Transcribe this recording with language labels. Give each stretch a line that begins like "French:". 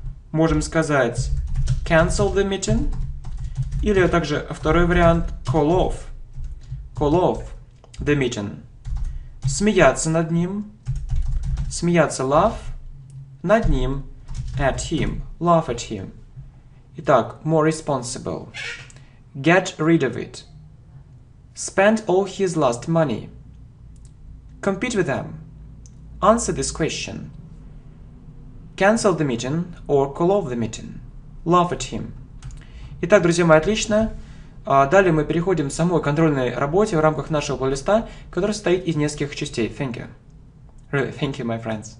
Russian: Можем сказать
English: cancel the meeting.
Russian: Или также второй вариант
English: call off. Call off the meeting.
Russian: Смеяться над ним. Смеяться
English: laugh
Russian: над ним.
English: At him. Laugh at him.
Russian: Итак,
English: more responsible. Get rid of it. Spend all his last money. Compete with them. Answer this question. Cancel the meeting or call off the meeting. Laugh at him.
Russian: Итак, друзья мои, отлично. Далее мы переходим к самой контрольной работе в рамках нашего плейлиста, которая состоит из нескольких частей.
English: Thank you. Really, thank you, my friends.